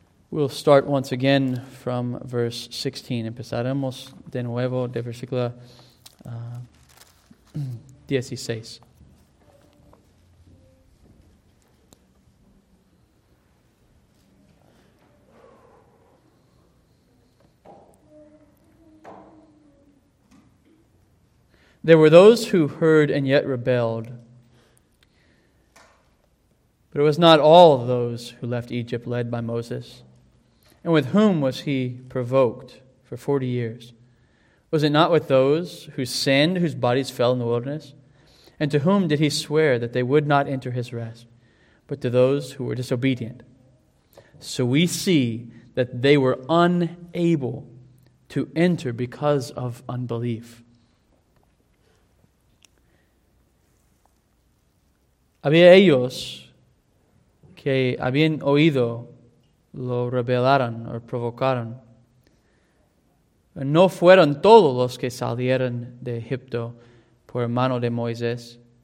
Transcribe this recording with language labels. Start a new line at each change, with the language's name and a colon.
English: We'll start once again from verse 16.
Spanish: Empezaremos de nuevo de versículo 16.
English: There were those who heard and yet rebelled. But it was not all of those who left Egypt led by Moses. And with whom was he provoked for 40 years? Was it not with those who sinned, whose bodies fell in the wilderness? And to whom did he swear that they would not enter his rest, but to those who were disobedient? So we see that they were unable to enter because of unbelief.
Spanish: Había ellos que habían oído, lo rebelaron o provocaron. No fueron todos los que salieron de Egipto por mano de Moisés.